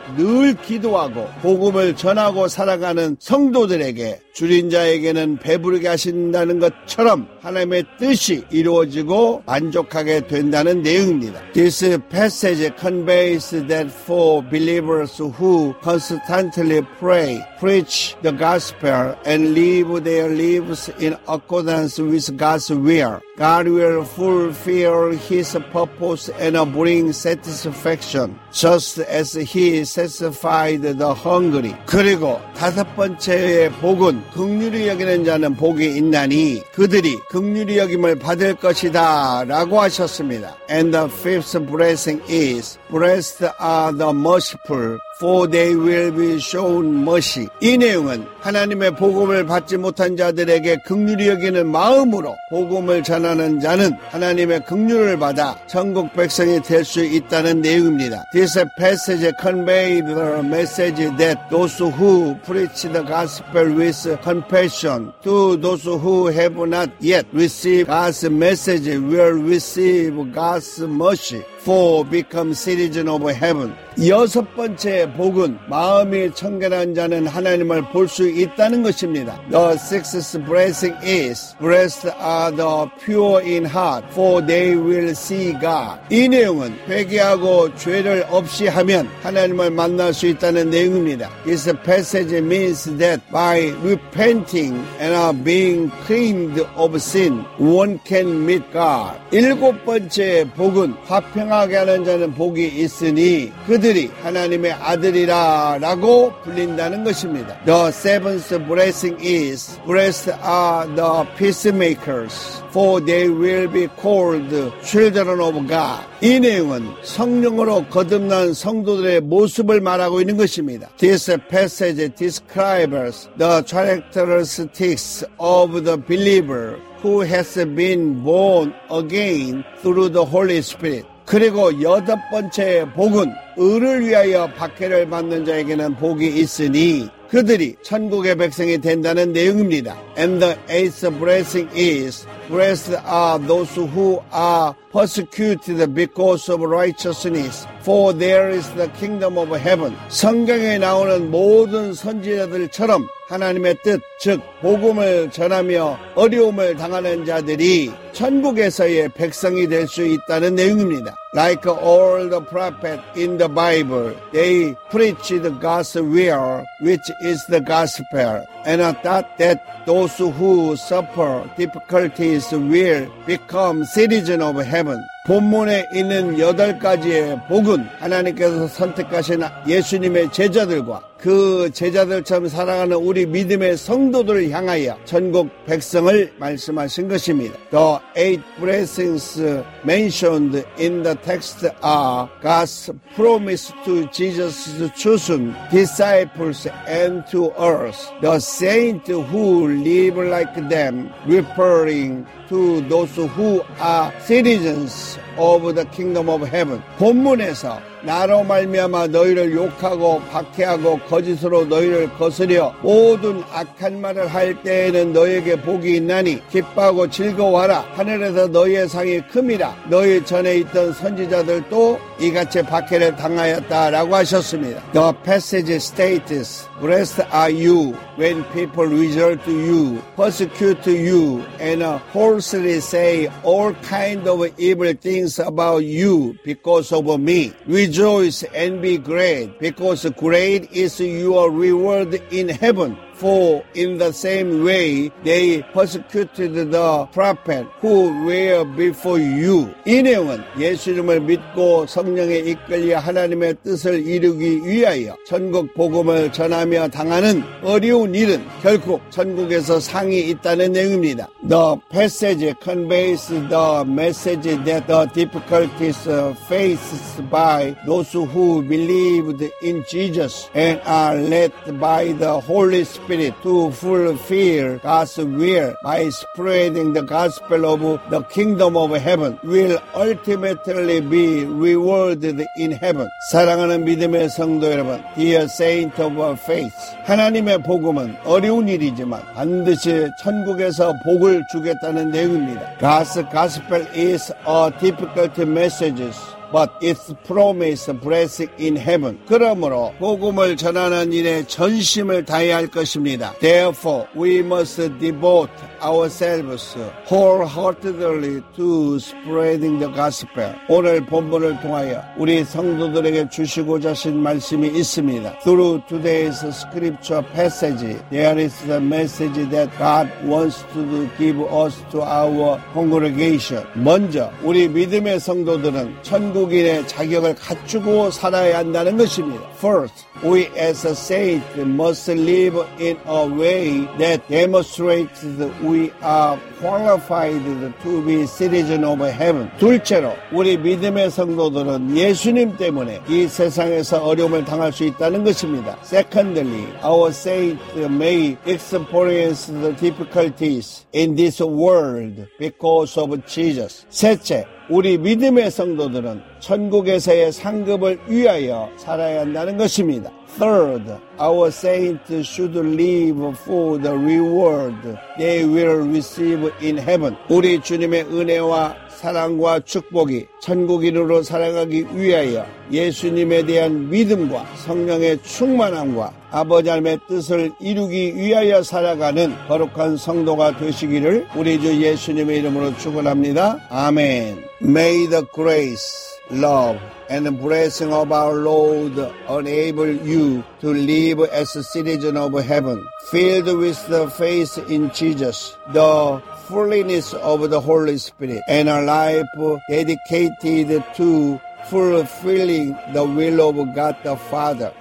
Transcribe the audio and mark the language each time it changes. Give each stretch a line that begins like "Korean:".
Korean: 늘 기도하고 복음을 전하고 살아가는 성도들에게 주린 자에게는 배부르게 하신다는 것처럼 하나님의 뜻이 이루어지고 만족하게 된다는 내용입니다.
English: This passage conveys that for believers who constantly pray, preach the gospel, and live their lives in accordance with God's will, God will fulfill His purpose and bring satisfaction, just as He satisfied the hungry.
Korean: 그리고 다섯 번째의 복은 긍휼히 여기는 자는 복이 있나니 그들이 긍휼히 여김을 받을 것이다 라고 하셨습니다.
English: And the fifth blessing is, blessed are the merciful, for they will be shown mercy.
Korean: 이 내용은 하나님의 복음을 받지 못한 자들에게 긍휼히 여기는 마음으로 복음을 전하는 자는 하나님의 긍휼을 받아 천국 백성이 될 수 있다는 내용입니다.
English: This passage conveyed the message that those who preach the gospel with compassion to those who have not yet received God's message will receive God's mercy. For become citizen of heaven.
Korean: 여섯 번째 복은 마음이 청결한 자는 하나님을 볼 수 있다는 것입니다.
English: The sixth blessing is, blessed are the pure in heart, for they will see God.
Korean: 이 내용은 회개하고 죄를 없이 하면 하나님을 만날 수 있다는 내용입니다.
English: This passage means that by repenting and being cleaned of sin, one can meet God.
Korean: 일곱 번째 복은 화평한 하는 자는 복이 있으니 그들이 하나님의 아들이라 라고 불린다는 것입니다.
English: The seventh blessing is, blessed are the peacemakers, for they will be called children of God.
Korean: 이 내용은 성령으로 거듭난 성도들의 모습을 말하고 있는 것입니다.
English: This passage describes the characteristics of the believer who has been born again through the Holy Spirit.
Korean: 그리고 여덟 번째 복은 의를 위하여 박해를 받는 자에게는 복이 있으니 그들이 천국의 백성이 된다는 내용입니다.
English: And the eighth blessing is, blessed are those who are persecuted because of righteousness, for there is the kingdom of heaven.
Korean: 성경에 나오는 모든 선지자들처럼 하나님의 뜻, 즉 복음을 전하며 어려움을 당하는 자들이 천국에서의 백성이 될 수 있다는 내용입니다.
English: Like all the prophets in the Bible, they preached God's will, which is the gospel, and thought that those who suffer difficulties will become citizens of heaven.
Korean: 본문에 있는 여덟 가지의 복은 하나님께서 선택하신 예수님의 제자들과 그 제자들처럼 살아가는 우리 믿음의 성도들을 향하여 천국 백성을 말씀하신 것입니다.
English: The eight blessings mentioned in the text are God's promise to Jesus' chosen disciples and to us, the saints who live like them, referring to those who are citizens of the kingdom of heaven.
Korean: 본문에서 나로 말미암아 너희를 욕하고 박해하고 거짓으로 너희를 거스려 모든 악한 말을 할 때에는 너희에게 복이 있나니 기뻐하고 즐거워하라. 하늘에서 너희의 상이 큽니다. 너희 전에 있던 선지자들도 이같이 박해를 당하였다라고 하셨습니다.
English: The passage states, blessed are you when people resort to you, persecute you, and falsely say all kind of evil things about you because of me. Rejoice and be great, because great is your reward in heaven. For in the same way they persecuted the prophet who were before you.
Korean: 이 내용은 예수님을 믿고 성령에 이끌려 하나님의 뜻을 이루기 위하여 천국 복음을 전하며 당하는 어려운 일은 결국 천국에서 상이 있다는 내용입니다.
English: The passage conveys the message that the difficulties faced by those who believed in Jesus and are led by the Holy Spirit to fulfill God's will by spreading the gospel of the kingdom of heaven will ultimately be rewarded in heaven.
Korean: 사랑하는 믿음의 성도 여러분,
English: dear saint of faith,
Korean: 하나님의 복음은 어려운 일이지만 반드시 천국에서 복을 주겠다는 내용입니다.
English: God's gospel is a difficult message, But its promise blessed in heaven.
Korean: 그러므로 복음을 전하는 일에 전심을 다해야 할 것입니다.
English: Therefore, we must devote ourselves wholeheartedly to spreading the gospel.
Korean: 오늘 본문을 통하여 우리 성도들에게 주시고자 하신 말씀이 있습니다.
English: Through today's scripture passage, there is the message that God wants to give us to our congregation.
Korean: 먼저 우리 믿음의 성도들은 천국인의 자격을 갖추고 살아야 한다는 것입니다.
English: First, we as a saint must live in a way that demonstrates that we are qualified to be citizens of heaven.
Korean: 둘째로, 우리 믿음의 성도들은 예수님 때문에 이 세상에서 어려움을 당할 수 있다는 것입니다.
English: Secondly, our saint may experience the difficulties in this world because of Jesus.
Korean: 셋째, 우리 믿음의 성도들은 천국에서의 상급을 위하여 살아야 한다는 것입니다.
English: Third, our saints should live for the reward they will receive in heaven.
Korean: 우리 주님의 은혜와 사랑과 축복이 천국인으로 살아가기 위하여 예수님에 대한 믿음과 성령의 충만함과 아버지 하나님의 뜻을 이루기 위하여 살아가는 거룩한 성도가 되시기를 우리 주 예수님의 이름으로 축원합니다. 아멘.
English: May the grace, love, and the blessing of our Lord enable you to live as a citizen of heaven, filled with the faith in Jesus, the fullness of the Holy Spirit, and a life dedicated to fulfilling the will of God the Father.